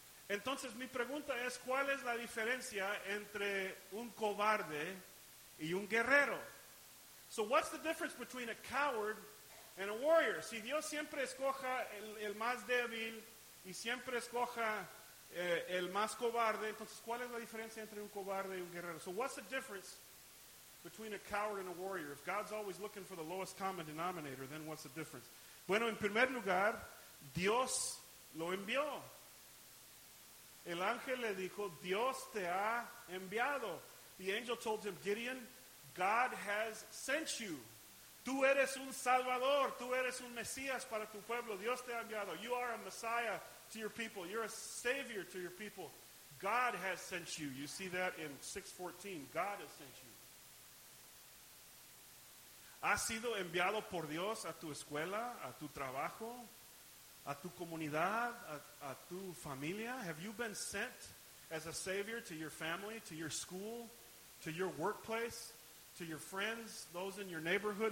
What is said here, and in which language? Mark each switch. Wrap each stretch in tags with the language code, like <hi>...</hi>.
<es>Entonces, mi pregunta es, ¿cuál es la diferencia entre un cobarde y un guerrero?</es> <en>So what's the difference between a coward and a warrior?</en> <es>Si Dios siempre escoja el más débil y siempre escoja el más cobarde, entonces, ¿cuál es la diferencia entre un cobarde y un guerrero?</es> <en>So what's the difference between a coward and a warrior? If God's always looking for the lowest common denominator, then what's the difference?</en> <es>Bueno, en primer lugar, Dios lo envió. El ángel le dijo, Dios te ha enviado.</es> <en>The angel told him, Gideon, God has sent you.</en> <es>Tú eres un salvador. Tú eres un mesías para tu pueblo. Dios te ha enviado.</es> <en>You are a messiah to your people. You're a savior to your people. God has sent you. You see that in 6:14. God has sent you.</en> <es>¿Has sido enviado por Dios a tu escuela, a tu trabajo, a tu comunidad, a tu familia?</es> <en>Have you been sent as a savior to your family, to your school, to your workplace, to your friends, those in your neighborhood?</en>